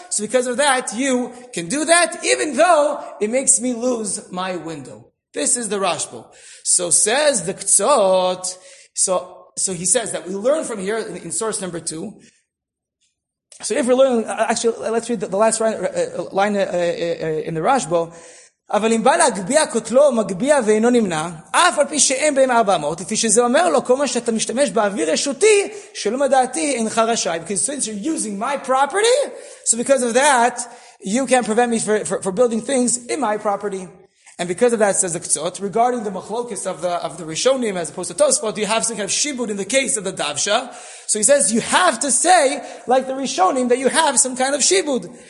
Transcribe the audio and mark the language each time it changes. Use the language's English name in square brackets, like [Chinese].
[English] So because of that, you can do that, even though it makes me lose my window. This is the Rashbo. So says the Ktzot. So he says that we learn from here in source number 2. So if we're learning, actually, let's read the last line in the Rashbo. [Hebrew] אבל אם בא להגביע כותלו, מגביע ואינו נמנע, אף על פי שאין בהם 400, לפי שזה אומר לו, כל מה שאתה משתמש באוויר רשותי, שלא מדעתי, אינך רשאי. [English] Because since you're using my property, so because of that, you can't prevent me for building things in my property. And because of that, says the Ktzot, regarding the machlokis of the Rishonim as opposed to Tosfot, you have some kind of shibud in the case of the Davsha. So he says, you have to say, like the Rishonim, that you have some kind of shibud.